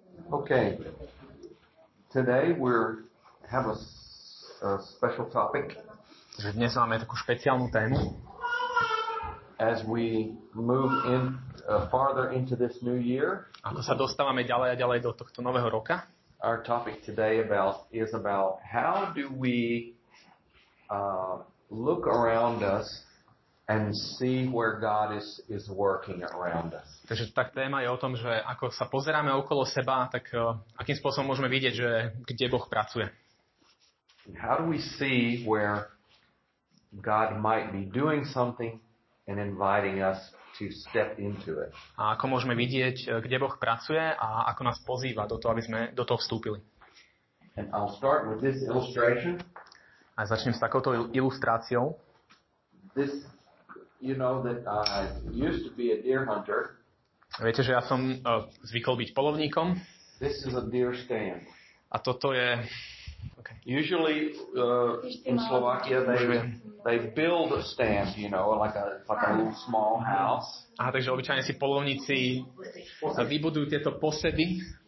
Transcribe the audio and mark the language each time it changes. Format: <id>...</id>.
<en>Okay, today we have a special topic.</en> <sk>Že dnes máme takú špeciálnu tému.</sk> <en>As we move in farther into this new year.</en> <sk>Ako sa dostávame ďalej a ďalej do tohto nového roka.</sk> <en>Our topic today is about how do we look around us and see where God is working around us.</en> <sk>Takže tá téma je o tom, že ako sa pozeráme okolo seba, tak akým spôsobom môžeme vidieť, že kde Boh pracuje.</sk> <en>How do we see where God might be doing something and inviting us to step into it?</en> <sk>A ako môžeme vidieť, kde Boh pracuje a ako nás pozýva do toho, aby sme do toho vstúpili.</sk> <en>And I'll start with this illustration.</en> <sk>A začnem s takouto ilustráciou.</sk> <en>This, you know that I used to be a deer hunter.</en> <sk>Viete, že ja som zvykol byť polovníkom.</sk> <en>This is a deer stand.</en> <sk>A toto je okay.</sk> <en>Usually in Slovakia they build a stand, you know, like a little small house.</en> <sk>Aha, takže obyčajne si polovníci vybudujú tieto posedy.</sk>